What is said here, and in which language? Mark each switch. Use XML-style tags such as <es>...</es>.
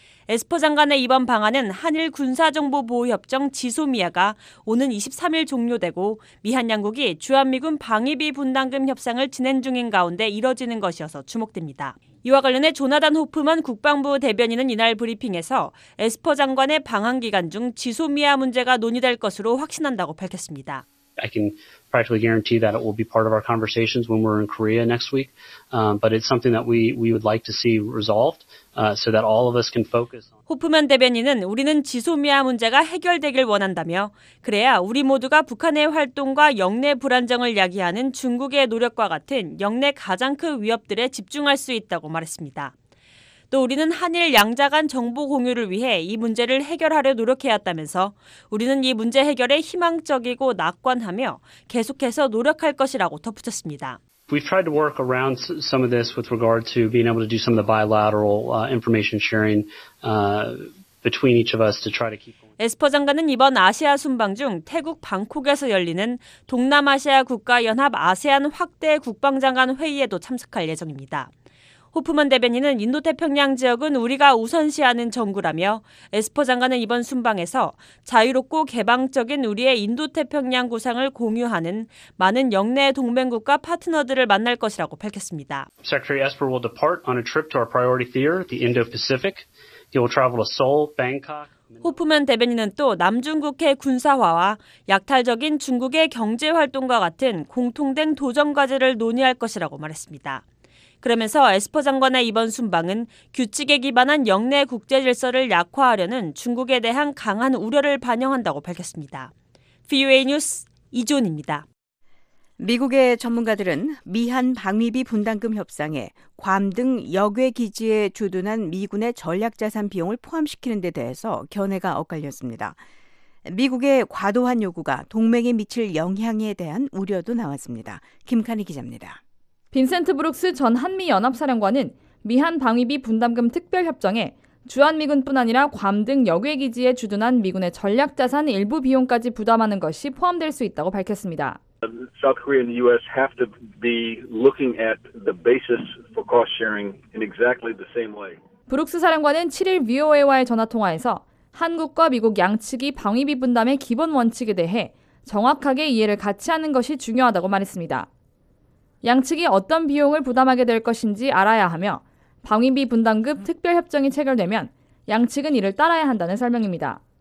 <ko>에스퍼 장관의 이번 방한은 한일 군사정보보호협정 지소미아가 오는 23일 종료되고 미한 양국이 주한미군 방위비 분담금 협상을 진행 중인 가운데 이뤄지는 것이어서 주목됩니다. 이와 관련해 조나단 호프먼 국방부 대변인은 이날 브리핑에서 에스퍼 장관의 방한 기간 중 지소미아 문제가 논의될 것으로 확신한다고 밝혔습니다.</ko> <en>I can practically guarantee that it will be part of our conversations when we're in Korea next week. But it's something that we would like to see resolved so that all of us can focus on.</en> <ko>호프먼 대변인은 우리는 지소미아 문제가 해결되길 원한다며 그래야 우리 모두가 북한의 활동과 영내 불안정을 야기하는 중국의 노력과 같은 영내 가장 큰 위협들에 집중할 수 있다고 말했습니다. 또 우리는 한일 양자 간 정보 공유를 위해 이 문제를 해결하려 노력해왔다면서 우리는 이 문제 해결에 희망적이고 낙관하며 계속해서 노력할 것이라고 덧붙였습니다.</ko> <en>We've tried to work around some of this with regard to being able to do some of the bilateral information sharing between each of us to try to keep.</en> <ko>에스퍼 장관은 이번 아시아 순방 중 태국 방콕에서 열리는 동남아시아 국가연합 아세안 확대 국방장관 회의에도 참석할 예정입니다. 호프먼 대변인은 인도태평양 지역은 우리가 우선시하는 정구라며 에스퍼 장관은 이번 순방에서 자유롭고 개방적인 우리의 인도태평양 구상을 공유하는 많은 역내 동맹국과 파트너들을 만날 것이라고 밝혔습니다.</ko> <en>Secretary Esper will depart on a trip to our priority theater, the Indo-Pacific. He will travel to Seoul, Bangkok.</en> <ko>호프먼 대변인은 또 남중국해 군사화와 약탈적인 중국의 경제 활동과 같은 공통된 도전 과제를 논의할 것이라고 말했습니다. 그러면서 에스퍼 장관의 이번 순방은 규칙에 기반한 역내 국제 질서를 약화하려는 중국에 대한 강한 우려를 반영한다고 밝혔습니다. VOA 뉴스 이존입니다. 미국의 전문가들은 미한 방위비 분담금 협상에 괌 등 역외 기지에 주둔한 미군의 전략 자산 비용을 포함시키는 데 대해서 견해가 엇갈렸습니다. 미국의 과도한 요구가 동맹에 미칠 영향에 대한 우려도 나왔습니다. 김카니 기자입니다. 빈센트 브룩스 전 한미연합사령관은 미한 방위비 분담금 특별협정에 주한미군뿐 아니라 괌 등 역외 기지에 주둔한 미군의 전략 자산 일부 비용까지 부담하는 것이 포함될 수 있다고 밝혔습니다.</ko> <en>South Korea and the U.S. have to be looking at the basis for cost sharing in exactly the same way.</en> <ko>브룩스 사령관은 7일 VOA와의 전화통화에서 한국과 미국 양측이 방위비 분담의 기본 원칙에 대해 정확하게 이해를 같이 하는 것이 중요하다고 말했습니다. 양측이 어떤 비용을 부담하게 될 것인지 알아야 하며 방위비 분담금 특별협정이 체결되면 양측은 이를 따라야 한다는 설명입니다.</ko>